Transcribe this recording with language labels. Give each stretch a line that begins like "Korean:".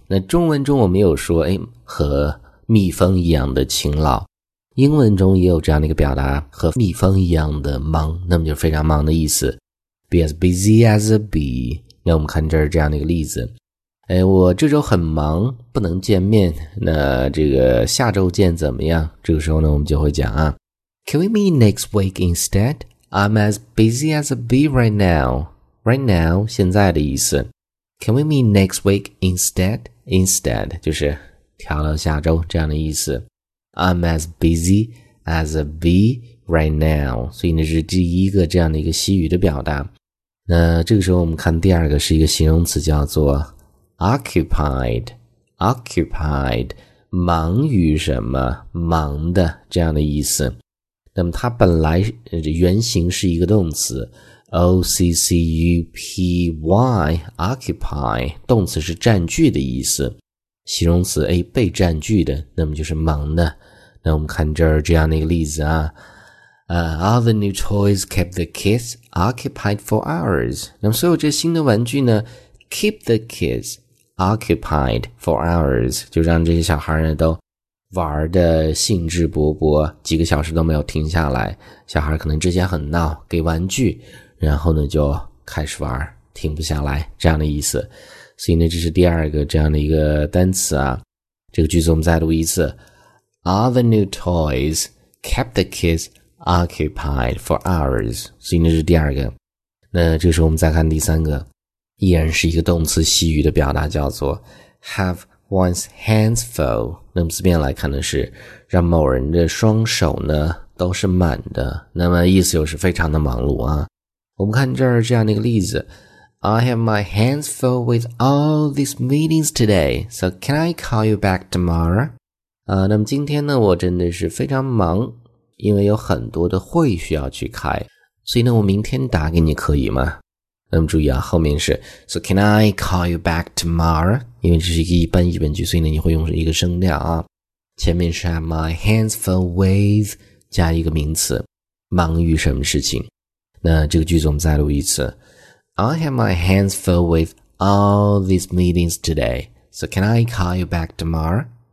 Chinese: 那中文中我没有说和蜜蜂一样的勤劳，英文中也有这样的一个表达，和蜜蜂一样的忙，那么就是非常忙的意思。
English: Be as busy as a bee。
Chinese: 那我们看这儿这样的一个例子。我这周很忙，不能见面，那这个下周见怎么样？这个时候呢，我们就会讲啊。
English: Can we meet next week instead? I'm as busy as a bee right now. Right now,
Chinese: 现在的意思。
English: Can we meet next week instead?
Chinese: Instead, 就是调到下周这样的意思。
English: I'm as busy as a bee right now.
Chinese: 所以呢，是第一个这样的一个西语的表达。那这个时候我们看第二个是一个形容词，叫做 occupied。 occupied, 忙于什么，忙的这样的意思。那么它本来原型是一个动词 ,occupy, occupy, 动词是占据的意思。形容词被占据的，那么就是忙的。那我们看这儿这样的一个例子啊。
English: All the new toys kept the kids occupied for hours.
Chinese: 那么所有这新的玩具呢 ,
English: keep the kids occupied for hours,
Chinese: 就让这些小孩呢都玩的兴致勃勃，几个小时都没有停下来。小孩可能之前很闹，给玩具，然后呢就开始玩，停不下来，这样的意思。所以呢，这是第二个这样的一个单词啊。这个句子我们再读一次。
English: All the new toys kept the kids occupied for hours.
Chinese: 所以这是第二个。那这时候我们再看第三个，依然是一个动词西语的表达，叫做 have one's hands full. 那么字面来看的是让某人的双手呢都是满的，那么意思又是非常的忙碌啊。我们看这儿这样的一个例子。
English: I have my hands full with all these meetings today, so can I call you back tomorrow?
Chinese: 那么今天呢，我真的是非常忙，因为有很多的会需要去开，所以呢，我明天打给你可以吗？那么注意啊，后面是
English: So can I call you back tomorrow?
Chinese: 因为这是一个一般疑问句，所以呢，你会用一个声调啊。前面是
English: Have my hands full with
Chinese: 加一个名词，忙于什么事情？那这个句子我们再录一次。
English: I have my hands full with all these meetings today, so can I call you back tomorrow?